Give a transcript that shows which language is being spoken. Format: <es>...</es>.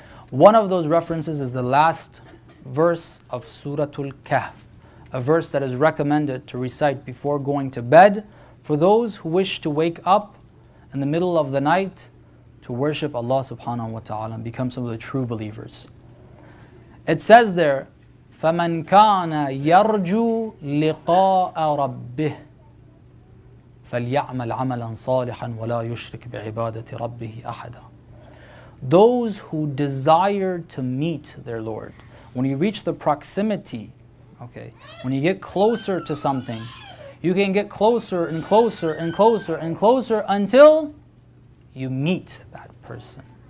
<en>One of those references is the last verse of Suratul Kahf, a verse that is recommended to recite before going to bed for those who wish to wake up in the middle of the night to worship Allah subhanahu wa ta'ala and become some of the true believers. It says there,</en> <ar>فَمَنْ كَانَ يَرْجُو لِقَاءَ رَبِّهِ فَلْيَعْمَلْ عَمَلًا صَالِحًا وَلَا يُشْرِكْ بِعِبَادَةِ رَبِّهِ أَحَدًا.</ar> <en>Those who desire to meet their Lord, when you reach the proximity, okay, when you get closer to something, you can get closer and closer and closer and closer until you meet that person.</en>